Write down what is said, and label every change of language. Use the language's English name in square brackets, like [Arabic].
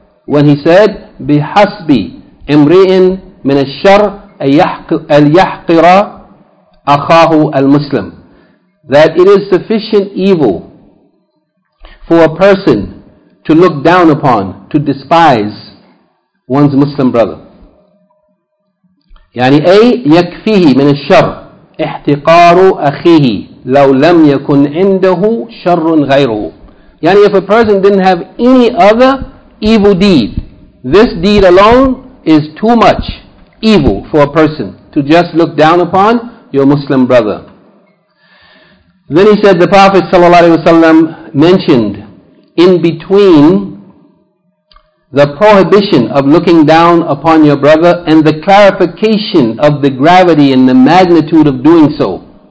[English] When he said, [Arabic] بِحَسْبِ إِمْرِئٍ مِنَ الشَّرْءَ الْيَحْقِرَ أَخَاهُ الْمُسْلِمِ, [English] that it is sufficient evil for a person to look down upon, to despise one's Muslim brother. [Arabic] يعني أي يَكْفِيهِ مِنَ الشَّرْءَ احتقار أخيه لو لم يكن عنده شر غيره. [English] يعني if a person didn't have any other evil deed, this deed alone is too much evil for a person to just look down upon your Muslim brother. Then he said the Prophet ﷺ mentioned in between the prohibition of looking down upon your brother and the clarification of the gravity and the magnitude of doing so.